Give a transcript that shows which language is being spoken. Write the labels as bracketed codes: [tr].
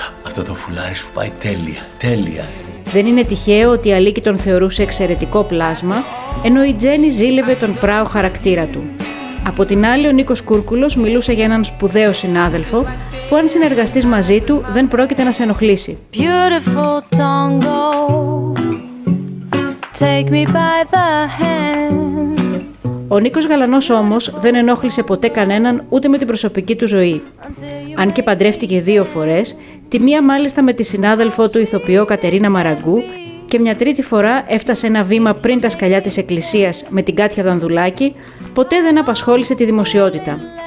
[el] Αυτό το φουλάρι σου πάει τέλεια, τέλεια. Δεν είναι τυχαίο ότι η Αλίκη τον θεωρούσε εξαιρετικό πλάσμα, ενώ η Τζένι ζήλευε τον πράο χαρακτήρα του. Από την άλλη, ο Νίκος Κούρκουλος μιλούσε για έναν σπουδαίο συνάδελφο, που αν συνεργαστείς μαζί του, δεν πρόκειται να σε ενοχλήσει. [en] Beautiful tango, take me by the hand. [el] Ο Νίκος Γαλανός όμως δεν ενόχλησε ποτέ κανέναν ούτε με την προσωπική του ζωή. Αν και παντρεύτηκε 2 φορές, τη μία μάλιστα με τη συνάδελφό του ηθοποιό Κατερίνα Μαραγκού και μια τρίτη φορά έφτασε ένα βήμα πριν τα σκαλιά της εκκλησίας με την Κάτια Δανδουλάκη, ποτέ δεν απασχόλησε τη δημοσιότητα.